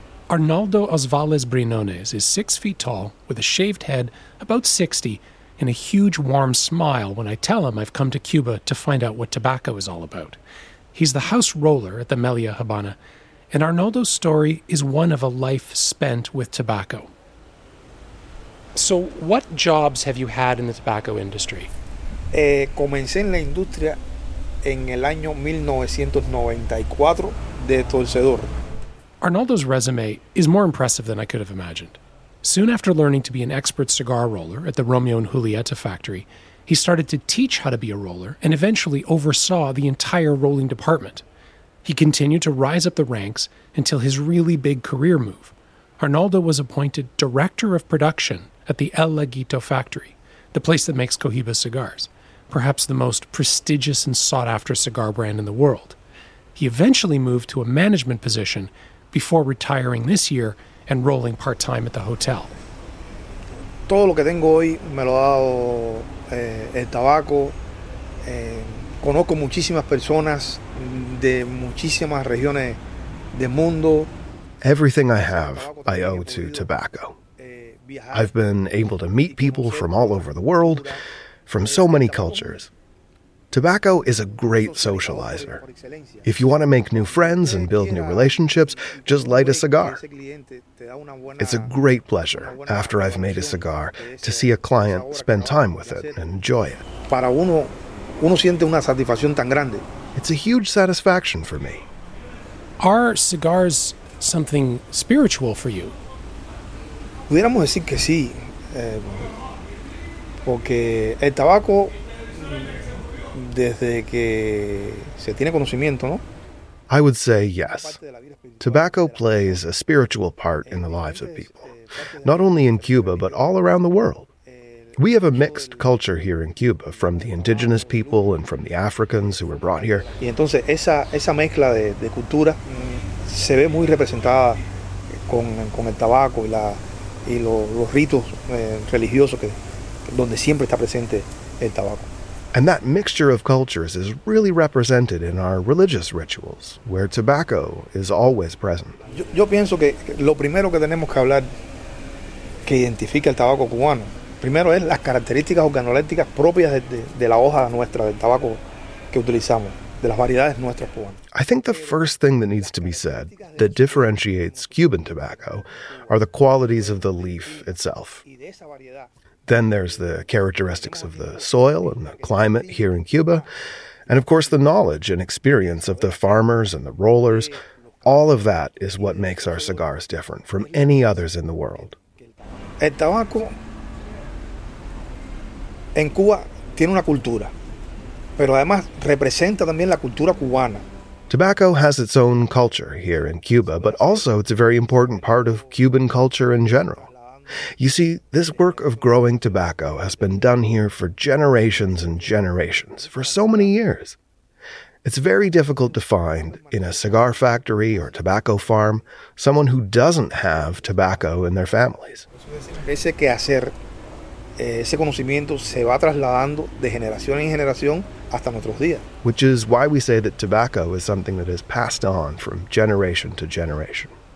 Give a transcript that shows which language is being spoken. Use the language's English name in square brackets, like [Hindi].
[English] Arnaldo Osvales Briñones is 6 feet tall, with a shaved head, about 60, and a huge warm smile when I tell him I've come to Cuba to find out what tobacco is all about. He's the house roller at the Melia Habana, and Arnaldo's story is one of a life spent with tobacco. So what jobs have you had in the tobacco industry? [Spanish] Comencé en la industria en el año 1994 de torcedor. [English] Arnaldo's resume is more impressive than I could have imagined. Soon after learning to be an expert cigar roller at the Romeo and Julieta factory, he started to teach how to be a roller and eventually oversaw the entire rolling department. He continued to rise up the ranks until his really big career move. Arnaldo was appointed director of production at the El Laguito factory, the place that makes Cohiba cigars, perhaps the most prestigious and sought-after cigar brand in the world. He eventually moved to a management position before retiring this year and rolling part-time at the hotel. [Spanish] Todo lo que tengo hoy me lo ha dado el tabaco. Conozco muchísimas personas de muchísimas regiones del mundo. [English] Everything I have, I owe to tobacco. I've been able to meet people from all over the world, from so many cultures. Tobacco is a great socializer. If you want to make new friends and build new relationships, just light a cigar. It's a great pleasure, after I've made a cigar, to see a client spend time with it and enjoy it. It's a huge satisfaction for me. Are cigars something spiritual for you? [Spanish] Pudiéramos decir que sí, porque el tabaco, desde que se tiene conocimiento, ¿no? [English] I would say yes. Tobacco plays a spiritual part in the lives of people, not only in Cuba, but all around the world. We have a mixed culture here in Cuba, from the indigenous people and from the Africans who were brought here. [Spanish] Y entonces esa mezcla de cultura se ve muy representada con el tabaco y la y los ritos religiosos que donde siempre está presente el tabaco. [English] And that mixture of cultures is really represented in our religious rituals, where tobacco is always present. [Spanish] Yo pienso que lo primero que tenemos que hablar que identifica el tabaco cubano primero es las características organolépticas propias de la hoja nuestra del tabaco que utilizamos. [English] I think the first thing that needs to be said that differentiates Cuban tobacco are the qualities of the leaf itself. Then there's the characteristics of the soil and the climate here in Cuba, and of course the knowledge and experience of the farmers and the rollers. All of that is what makes our cigars different from any others in the world. [Spanish] El tabaco en Cuba tiene una cultura. Pero además representa también la cultura cubana. [English] Tobacco has its own culture here in Cuba, but also it's a very important part of Cuban culture in general. You see, this work of growing tobacco has been done here for generations and generations, for so many years. It's very difficult to find, in a cigar factory or tobacco farm, someone who doesn't have tobacco in their families. [Spanish] Ese quehacer, ese conocimiento se va trasladando de generación en generación. [English] Which is why we say that tobacco is something that is passed on from generation to generation.